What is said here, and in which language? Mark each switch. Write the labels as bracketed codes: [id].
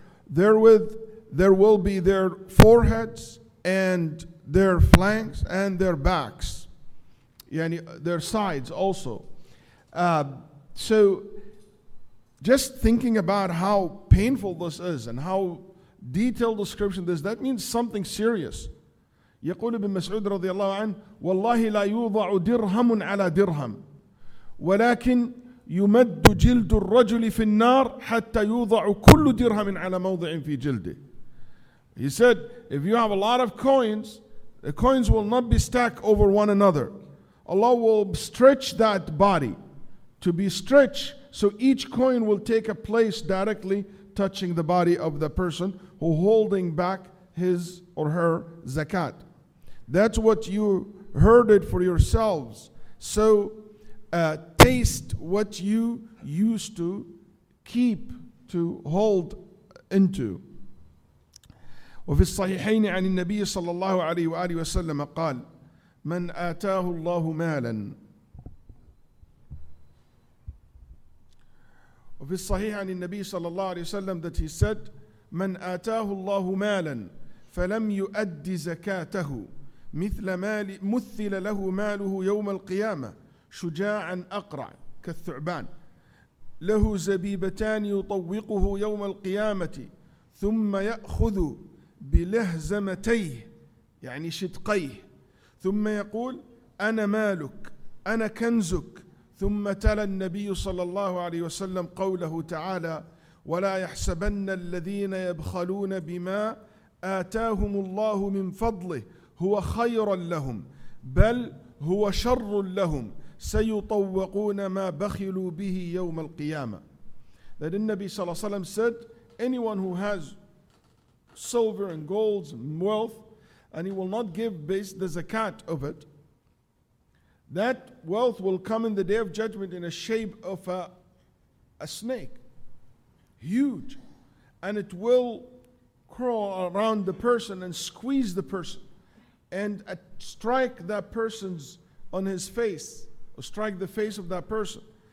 [en] Therewith, there will be their foreheads and their flanks and their backs. Yani their sides also. So just thinking about how painful this is and how detailed description this, that means something serious. [ar] يقول ابن مسعود رضي الله عنه والله لا يوضع درهم على درهم ولكن يمد جلد الرجل في النار حتى يوضع كل درهم على موضع في جلده. [en] He said, if you have a lot of coins, the coins will not be stacked over one another. Allah will stretch that body to be stretched, so each coin will take a place directly touching the body of the person who holding back his or her zakat. That's what you herded for yourselves. So taste what you used to keep, to hold into. [ar] وفي الصحيحين عن النبي صلى الله عليه وآله وسلم قال من آتاه الله مالا. وفي الصحيح عن النبي صلى الله عليه وسلم [en] that he said [ar] من آتاه الله مالا فلم يؤد زكاته مثل مال مثل له ماله يوم القيامة شجاعا أقرع كالثعبان له زبيبتان يطوقه يوم القيامة ثم يأخذ بلهزمتيه يعني شدقيه ثم يقول أنا مالك أنا كنزك. ثم تلا النبي صلى الله عليه وسلم قوله تعالى ولا يحسبن الذين يبخلون بما آتاهم الله من فضله هو خيرا لهم بل هو شر لهم سيطوقون ما بخلوا به يوم القيامة. [en] That the Nabi [ar] صلى الله عليه وسلم [en] said, anyone who has silver and gold and wealth, and he will not give base the zakat of it, that wealth will come in the day of judgment in a shape of a snake, huge, and it will crawl around the person and squeeze the person and strike that person's on his face, or strike the face of that person.